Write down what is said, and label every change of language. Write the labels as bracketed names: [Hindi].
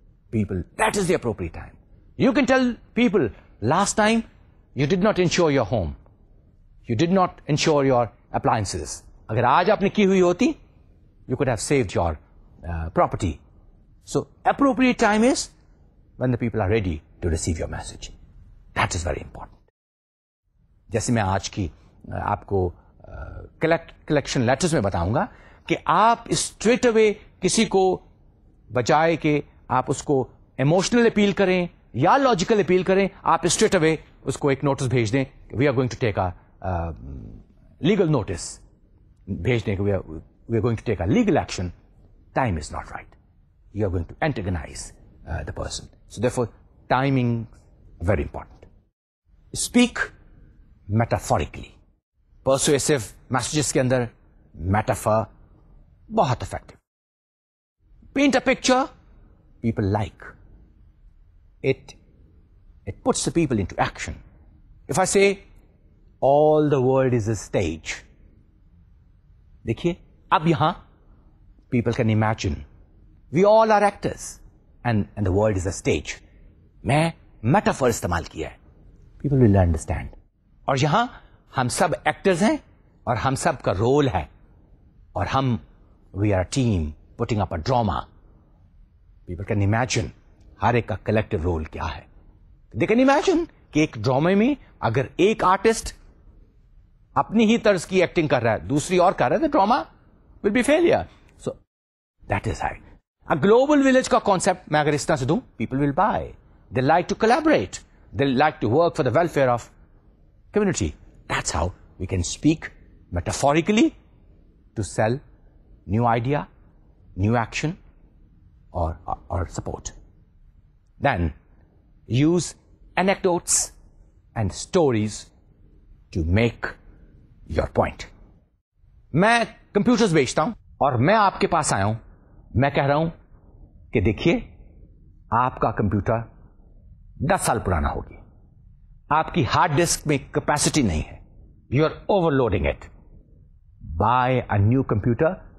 [English] People, that is the appropriate time. You can tell people, last time you did not insure your home, you did not insure your appliances. [Urdu] Agar aaj aapne ki hui hoti, [English] you could have saved your property. So appropriate time is when the people are ready to receive your message. That is very important. [Urdu] جیسے میں آج کی آپ کو collection letters میں بتاؤں گا کہ آپ اسٹریٹ اوے کسی کو بجائے کہ آپ اس کو ایموشنل اپیل کریں یا لاجیکل اپیل کریں, آپ اسٹریٹ اوے اس کو ایک نوٹس بھیج دیں, [English] we are going to take a legal notice [Urdu] بھیج دیں, [English] We are going to take a legal action. Time is not right, you are going to antagonize the person. So therefore, timing very important. Speak metaphorically. [Urdu] Persuasive messages ke andar metaphor bahut effective. [English] Paint a picture people like. It puts the people into action. If I say all the world is a stage, [Urdu] dekhiye ab yahan [English] people can imagine we all are actors. And the world is a stage. [Urdu] میں metaphor استعمال کیا ہے. [English] People will understand. [Urdu] اور یہاں ہم سب actors ہیں اور ہم سب کا role ہے اور ہم [English] we are a team putting up a drama. People can imagine [Urdu] ہر ایک کا collective role کیا ہے. [English] They can imagine [Urdu] کہ ایک drama میں اگر ایک artist اپنی ہی طرز کی acting کر رہا ہے, دوسری اور کر رہا ہے, [English] the drama will be failure. So that is how. A global village کا concept [Urdu] میں اگر اس طرح سے دوں, [English] people will buy. They like to collaborate. They like to work for the welfare of community. That's how we can speak metaphorically to sell new idea, new action or support. Then use anecdotes and stories to make your point. [Urdu] میں computers بیچتا ہوں اور میں آپ کے پاس آیا ہوں, میں کہہ رہا ہوں کہ دیکھیے آپ کا کمپیوٹر 10 साल पुराना होगी. आपकी हार्ड डिस्क में कैपेसिटी नहीं है. [English] You are overloading it. Buy a new computer.